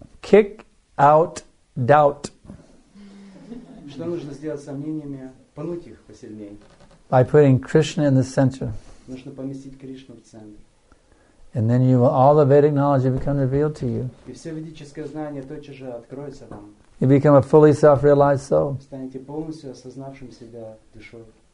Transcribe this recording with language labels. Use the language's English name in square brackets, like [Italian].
[English] Kick out doubt. [Russian] Что нужно сделать с сомнениями? пануть их посильнее. [English] By putting Krishna in the center. [Russian] Нужно поместить Кришну в центр. [English] And then you will, all the Vedic knowledge will become revealed to you. [Russian] И все ведическое знание тотчас же откроется вам. [English] You become a fully self-realized soul. [Russian] Станете полностью осознавшим себя душой.